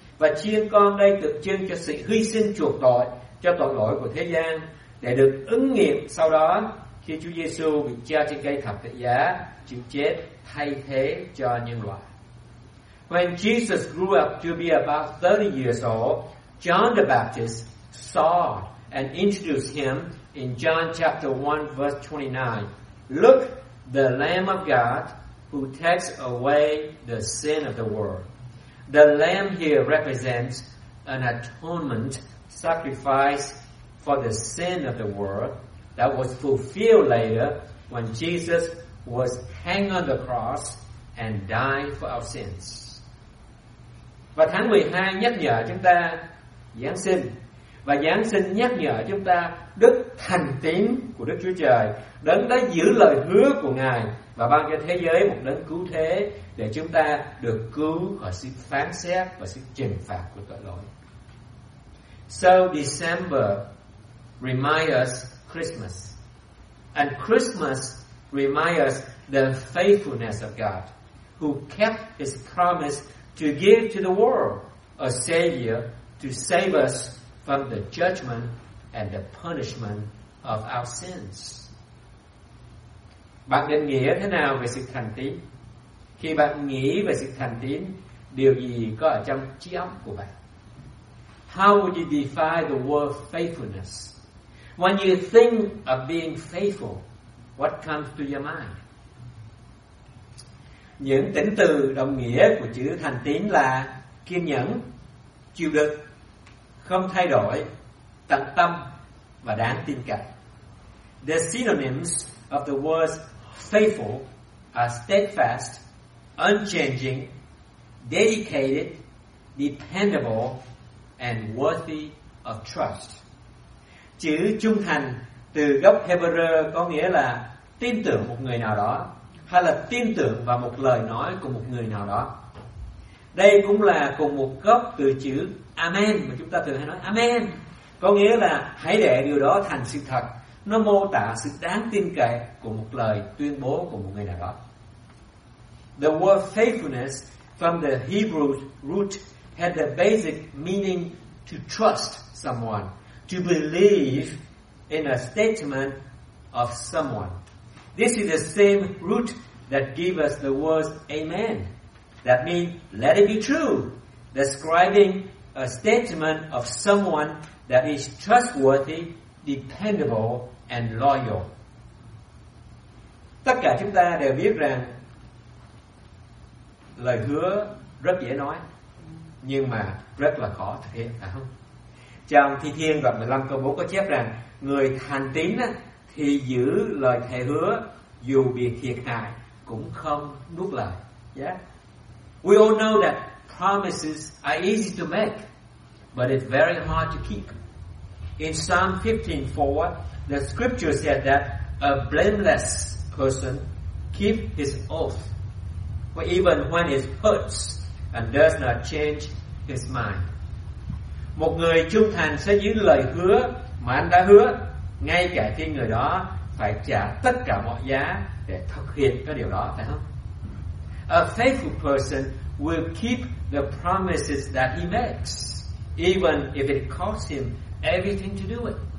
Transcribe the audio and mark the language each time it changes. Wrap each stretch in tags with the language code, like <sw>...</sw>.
<vi>Và chiên con đây tượng trưng cho sự hy sinh chuộc tội cho tội lỗi của thế gian, để được ứng nghiệm sau đó khi Chúa Giêsu bị treo trên cây thập tự giá, chịu chết thay thế cho nhân loại.</vi> <en>When Jesus grew up to be about 30 years old, John the Baptist saw and introduced him in John chapter 1 verse 29. Look, the Lamb of God who takes away the sin of the world. The Lamb here represents an atonement sacrifice for the sin of the world that was fulfilled later when Jesus was hanged on the cross and died for our sins.</en> <vi>Và tháng 12 nhắc nhở chúng ta Giáng sinh. Và Giáng sinh nhắc nhở chúng ta đức thành tín của Đức Chúa Trời, đấng đã giữ lời hứa của Ngài và ban cho thế giới một đấng cứu thế để chúng ta được cứu khỏi sự phán xét và sự trừng phạt của tội lỗi.</vi> <en>So December reminds us Christmas. And Christmas reminds us the faithfulness of God who kept his promise to give to the world a Savior to save us from the judgment and the punishment of our sins.</en> <vi>Bạn định nghĩa thế nào về sự thành tín? Khi bạn nghĩ về sự thành tín, điều gì có ở trong trí óc của bạn?</vi> <en>How would you define the word faithfulness? When you think of being faithful, what comes to your mind?</en> <vi>Những tính từ đồng nghĩa của chữ thành tín là kiên nhẫn, chịu đựng, không thay đổi, tận tâm và đáng tin cậy.</vi> <en>The synonyms of the words faithful are steadfast, unchanging, dedicated, dependable, and worthy of trust.</en> <vi>Chữ trung thành từ gốc Hebrew có nghĩa là tin tưởng một người nào đó hay là tin tưởng vào một lời nói của một người nào đó. Đây cũng là cùng một gốc từ chữ Amen mà chúng ta thường hay nói Amen, có nghĩa là hãy để điều đó thành sự thật. Nó mô tả sự đáng tin cậy của một lời tuyên bố của một người nào đó.</vi> <en>The word faithfulness from the Hebrew root had the basic meaning to trust someone, to believe in a statement of someone. This is the same root that gave us the words Amen. That means let it be true, describing a statement of someone that is trustworthy, dependable, and loyal.</en> <vi>Tất cả chúng ta đều biết rằng lời hứa rất dễ nói nhưng mà rất là khó thực hiện, phải không? Trong Thi Thiên đoạn 15 câu 4 có chép rằng người thành tín thì giữ lời thề hứa dù bị thiệt hại cũng không nuốt lời. Yeah.</vi> <en>We all know that promises are easy to make, but it's very hard to keep. In Psalm 15:4, the scripture said that a blameless person keeps his oath, for even when it hurts and does not change his mind.</en> <vi>Một người trung thành sẽ giữ lời hứa mà anh đã hứa, ngay cả khi người đó phải trả tất cả mọi giá để thực hiện cái điều đó, phải không?</vi> <en>A faithful person will keep the promises that he makes, even if it costs him everything to do it.</en>